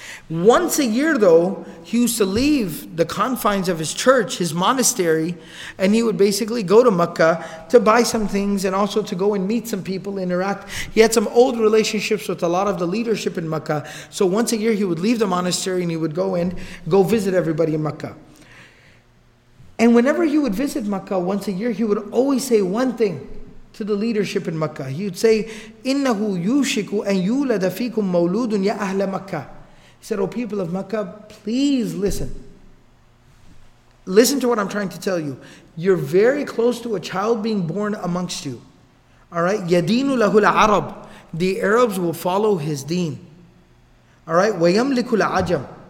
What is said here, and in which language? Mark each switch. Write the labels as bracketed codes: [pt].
[en] Once a year though, he used to leave the confines of his church, his monastery, and he would basically go to Mecca to buy some things and also to go and meet some people, interact. He had some old relationships with a lot of the leadership in Mecca. So once a year he would leave the monastery and he would go and go visit everybody in Mecca. And whenever he would visit Mecca once a year, he would always say one thing to the leadership in Mecca. [ar] He would say, إِنَّهُ يُوشِكُ أَن يُولَدَ فِيكُمْ مَوْلُودٌ يَا أَهْلَ مَكَّةٌ. [en] He said, "Oh, people of Mecca, please listen. Listen to what I'm trying to tell you. You're very close to a child being born amongst you. All right? [ar] يَدِينُ لَهُ الْعَرَبُ. [en] The Arabs will follow his deen. All right? [ar] وَيَمْلِكُ الْعَجَمُ.